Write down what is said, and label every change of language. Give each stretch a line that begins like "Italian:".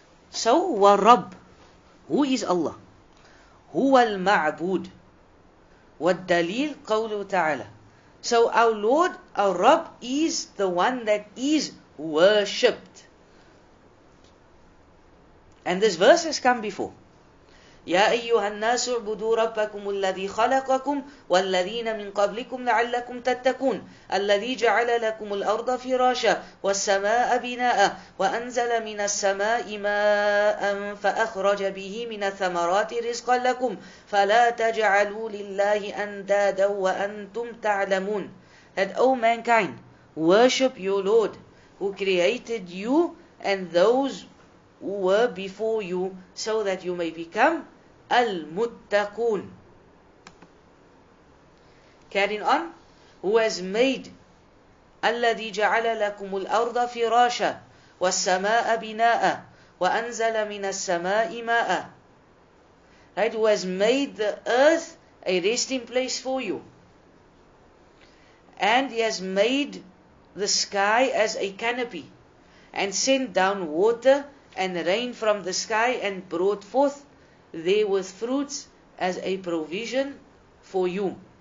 English: So, wa Rabb, who is Allah?
Arabic: Huwa al-ma'bud. والدليل قوله تعالى.
English: So our Lord, our Rabb, is the one that is worshipped. And this verse has come before.
Arabic: يا أيها الناس اعبدوا ربكم الذي خلقكم والذين من قبلكم لعلكم تتقون الذي جعل لكم الأرض فراشا والسماء بناء وأنزل من السماء ماء فأخرج به من الثمرات رزقا لكم فلا تجعلوا لله أندادا وأنتم تعلمون.
English: That O mankind, worship your Lord who created you and those who were before you so that you may become المتقون. Carrying on, who has made
Arabic: الذي جعل لكم الأرض فراشا والسماء بناء وأنزل من السماء ماء.
English: Right, who has made the earth a resting place for you, and he has made the sky as a canopy, and sent down water and rain from the sky, and brought forth there with fruits as a provision for you.